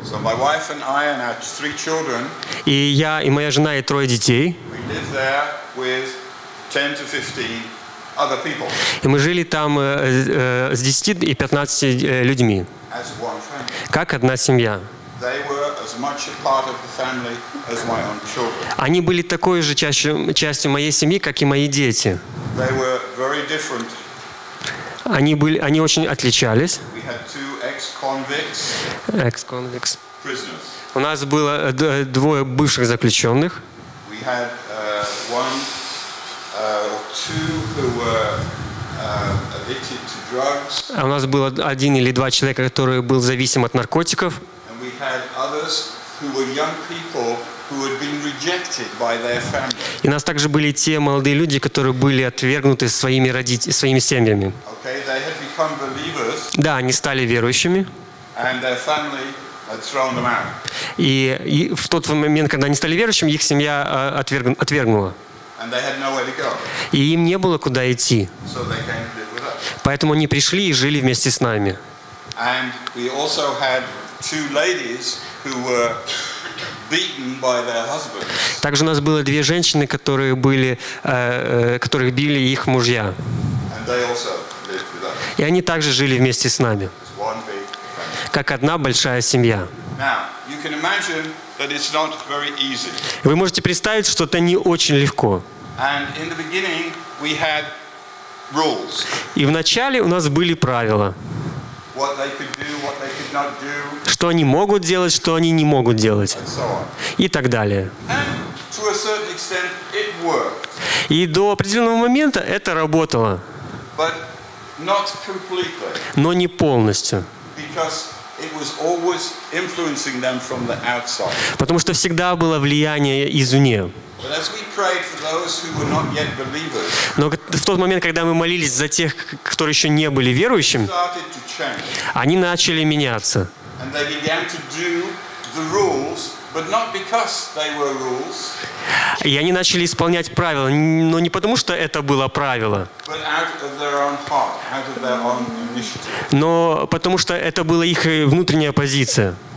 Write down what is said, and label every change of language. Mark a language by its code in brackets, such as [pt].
[en] So my wife and I and our three children, [ru] и я, и моя жена, и трое детей. [en] We live there with 10 to 15 other people. [ru] И мы жили там с 10 и 15 людьми. [en] As one family. [ru] Как одна семья. [en] They were as much a part of the family as my own children. [ru] Они были такой же частью моей семьи, как и мои дети. [en] They were very different. [ru] Они очень отличались. [en] We had two ex-convicts. Ex-convicts. Prisoners. [ru] У нас было двое бывших заключенных. [en] We had one or two who were addicted to drugs. [ru] У нас было один или два человека, которые был зависим от наркотиков. [en] We had others who were young people who had been rejected by their families. [ru] И у нас также были те молодые люди, которые были отвергнуты своими семьями. [en] Okay, they had become believers. [ru] Да, они стали верующими. [en] And their family had thrown them out. [ru] И в тот момент, когда они стали верующими, их семья отвергнула. [en] And they had nowhere to go. [ru] И им не было куда идти. [en] So they came to live with us. [ru] Поэтому они пришли и жили вместе с нами. [en] And we also had two ladies who were beaten by their husbands. [ru] Также у нас было две женщины, которые были, которых били их мужья. [en] And they also lived with us. [ru] И они также жили вместе с нами. Как одна большая семья. [en] Now, you can imagine that it's not very easy. [ru] Вы можете представить, что это не очень легко. [en] And in the beginning we had rules. [ru] И вначале у нас были правила. [en] What they could do, what they could not do. [ru] Что они могут делать, что они не могут делать. И так далее. [en] And to a certain extent, it worked. [ru] И до определенного момента это работало. [en] But not completely. [ru] Но не полностью. [en] Because it was always influencing them from the outside. [ru] Потому что всегда было влияние извне. [en] But as we prayed for those who were not yet believers, [ru] но в тот момент, когда мы молились за тех, которые еще не были верующим, они начали меняться. [en] And they began to do the rules, but not because they were rules. [ru] И они начали исполнять правила, но не потому, что это было правило. [en] But out of their own heart, out of their own initiative. [ru] Но потому, что это была их внутренняя позиция.